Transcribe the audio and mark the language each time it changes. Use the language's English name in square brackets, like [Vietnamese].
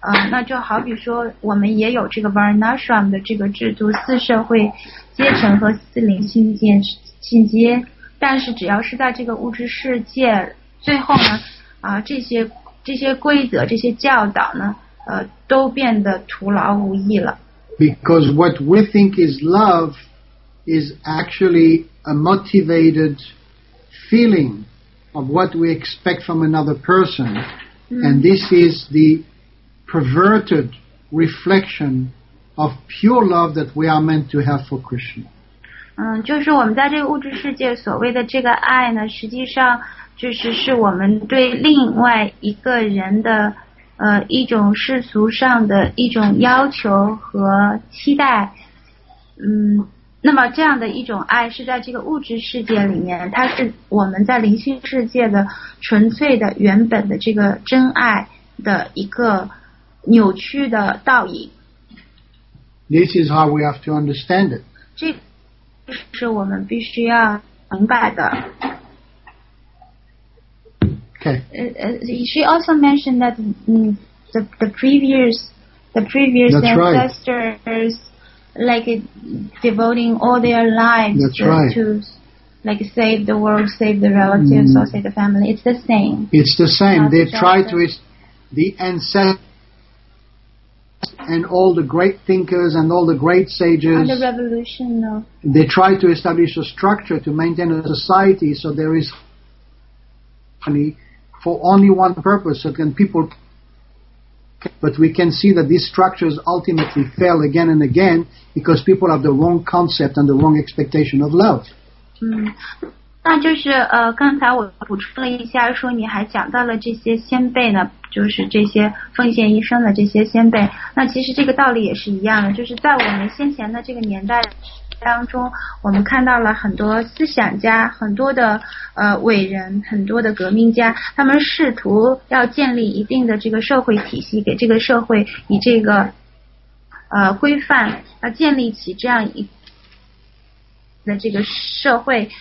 [Chinese] 那就好比说，我们也有这个 Varnashram 的这个制度，四社会阶层和四灵性阶，但是只要是在这个物质世界，最后呢。啊，这些规则，这些教导呢，都变得徒劳无益了。 [English] Because what we think is love is actually a motivated feeling of what we expect from another person, and this is the perverted reflection of pure love that we are meant to have for Krishna. [Chinese] 嗯，就是我们在这个物质世界所谓的这个爱呢，实际上就是是我们对另外一个人的一种世俗上的一种要求和期待。嗯，那么这样的一种爱是在这个物质世界里面，它是我们在灵性世界的纯粹的原本的这个真爱的一个扭曲的倒影。 [English] This is how we have to understand it. [Chinese] 这是我们必须要明白的。 [English] Okay. She also mentioned that the previous ancestors, right, like devoting all their lives to like save the world, save the relatives, or save the family. It's the same. It's the same. They try to, the ancestors and all the great thinkers and all the great sages. And the revolution, though. They try to establish a structure to maintain a society so there is harmony. For only one purpose, so can people. But we can see that these structures ultimately fail again and again because people have the wrong concept and the wrong expectation of love. [Chinese] 嗯，那就是刚才我补充了一下，说你还讲到了这些先辈呢，就是这些奉献一生的这些先辈。那其实这个道理也是一样的，就是在我们先前的这个年代当中，我们看到了很多思想家，很多的伟人，很多的革命家，他们试图要建立一定的这个社会体系，给这个社会以这个规范，要建立起这样一的这个社会。